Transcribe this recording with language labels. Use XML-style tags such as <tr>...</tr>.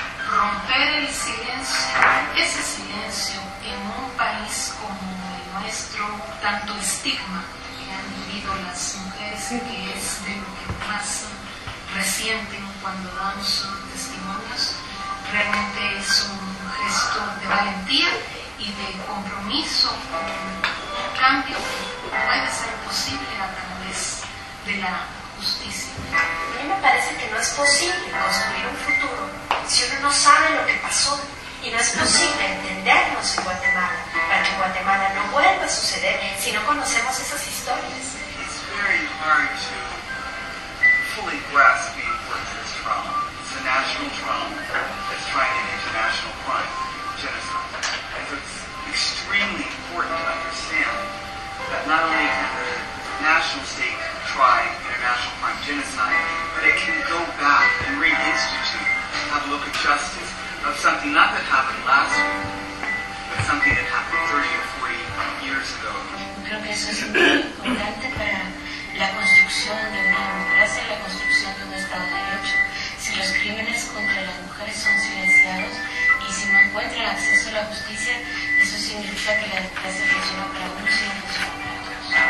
<es>Romper el silencio, ese silencio en un país como el nuestro, tanto estigma que han vivido las mujeres, que es de lo que más resienten cuando dan sus testimonios, realmente es un gesto de valentía y de compromiso con un cambio que puede ser posible a través de la justicia. A mí me parece que no es posible construir un futuro si uno no sabe lo que pasó, y no es posible entendernos en Guatemala para que Guatemala no vuelva a suceder si no conocemos esas historias.</es> <en>It's very hard to fully grasp the importance of this trauma. It's a national trauma that's trying an international crime, genocide. And so it's extremely important to understand that not only can the national state try international crime, genocide, but it can go back and reinstitute, have a look at justice of something not that happened last week, but something that happened 30 or 40 years ago.</en> <es>Creo que eso es muy importante para la construcción de una democracia, la construcción de un Estado de Derecho. Si los crímenes contra las mujeres son silenciados y si no encuentran acceso a la justicia, eso significa que la democracia funciona para unos y no funciona para otros.</es>